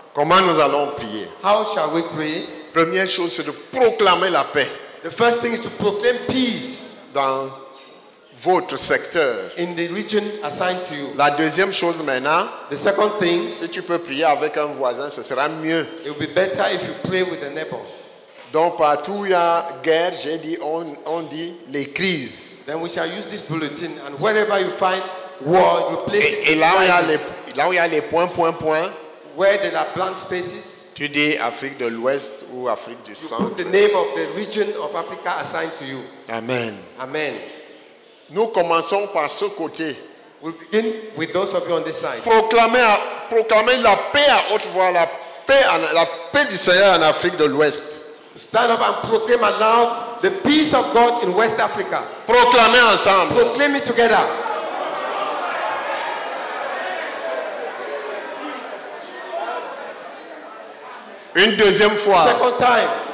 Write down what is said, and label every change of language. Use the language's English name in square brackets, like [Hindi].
[French] Comment nous allons prier? [English] How shall we pray? [French] Première chose, c'est de proclamer la paix. [English] The first thing is to proclaim peace. [French] Dans votre secteur. [English] In the region assigned to you. [French] La deuxième chose maintenant. [English] The second thing. [French] Si tu peux prier avec un voisin, ce sera mieux. [English] It will be better if you pray with a neighbor. [French] Donc partout où il y a guerre, j'ai dit, on dit les crises. [English] Then we shall use this bulletin, and wherever you find war, you place [French] et, [English] it. [French] Et là où il y a les, points, points, points. [English] Where there are blank spaces. [French] Tu dis Afrique de l'Ouest ou Afrique du Centre. [English] You put the name of the region of Africa assigned to you. Amen. Amen. [French] Nous commençons par ce côté. [English] We begin with those of you on this side. [French] Proclamer la paix à haute voix, la paix du Seigneur en Afrique de l'Ouest. [English] Stand up and proclaim aloud the peace of God in West Africa. [French] Proclamez ensemble. [English] Proclaim it together. [French] Une deuxième fois. [English] Second time.